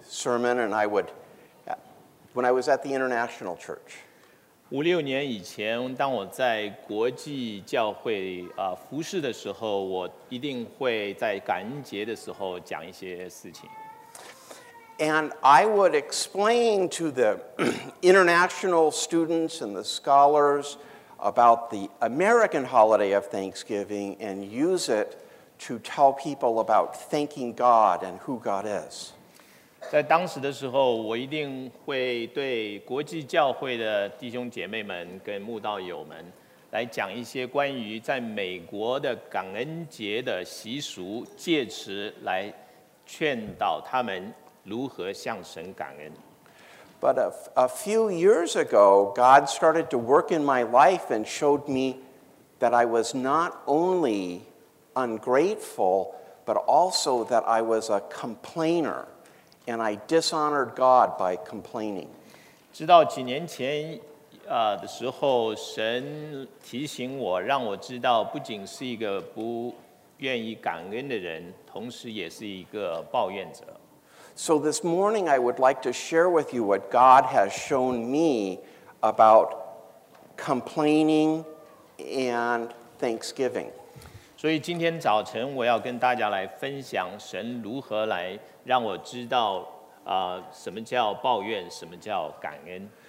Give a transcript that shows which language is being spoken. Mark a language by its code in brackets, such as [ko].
[en] sermon, and I would, when I was at the International Church. [zh] 5-6年以前，当我在国际教会服事的时候，我一定会在感恩节的时候讲一些事情。 [en] And I would explain to the international students and the scholars about the American holiday of Thanksgiving and use it to tell people about thanking God and who God is. [zh] 在当时的时候，我一定会对国际教会的弟兄姐妹们跟慕道友们来讲一些关于在美国的感恩节的习俗，借此来劝导他们如何向神感恩。 [en] But a few years ago, God started to work in my life and showed me that I was not only ungrateful, but also that I was a complainer, and I dishonored God by complaining. [zh] 直到几年前的时候，神提醒我，让我知道不仅是一个不愿意感恩的人，同时也是一个抱怨者。 [en] So this morning, I would like to share with you what God has shown me about complaining and thanksgiving. [zh] 所以今天早晨我要跟大家来分享神如何来让我知道什么叫抱怨，什么叫感恩。